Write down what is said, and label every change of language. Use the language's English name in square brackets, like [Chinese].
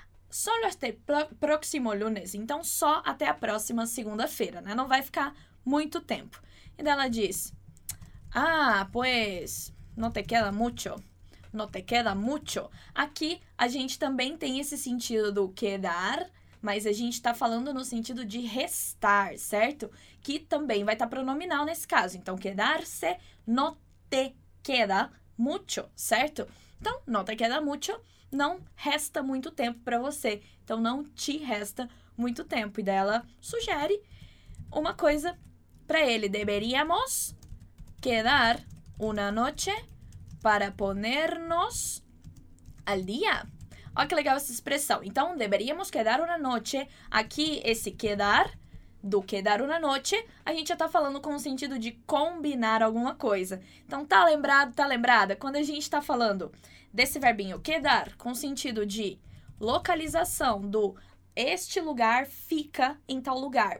[Spanish] Solo hasta el próximo lunes. [Portuguese] Então, só até a próxima segunda-feira, né? Não vai ficar muito tempo. E daí ela diz, pues, não [Spanish] te queda [Portuguese] muito. Não [Spanish] te queda [Portuguese] muito. Aqui a gente também tem esse sentido do quedar, mas a gente está falando no sentido de restar, certo? Que também vai estar pronominal nesse caso. Então, quedarse, [Spanish] no te queda mucho, [Portuguese] certo? Então, [Spanish] no te queda mucho, [Portuguese] não resta muito tempo para você. Então, não te resta muito tempo. E daí ela sugere uma coisa para ele. [Spanish] Deberíamos quedar una noche para ponernos al día. [Portuguese] Olha que legal essa expressão. Então, [Spanish] deberíamos quedar una noche. [Portuguese] Aqui, esse quedar, do [Spanish] quedar una noche, [Portuguese] a gente já está falando com o sentido de combinar alguma coisa. Então, tá lembrado, tá lembrada? Quando a gente está falando desse verbinho quedar, com sentido de localização do este lugar fica em tal lugar.